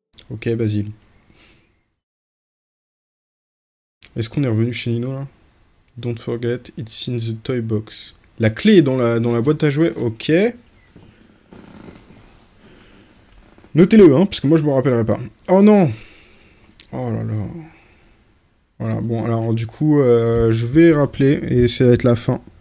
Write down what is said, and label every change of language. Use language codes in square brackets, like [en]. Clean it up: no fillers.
[fr] Ok, Basile. Est-ce qu'on est revenu chez Nino là ? [en] Don't forget, it's in the toy box. [fr] La clé est dans la boîte à jouets, ok. Notez-le, hein, parce que moi je me rappellerai pas. Oh non ! Oh là là. Voilà, bon, alors du coup, je vais rappeler et ça va être la fin.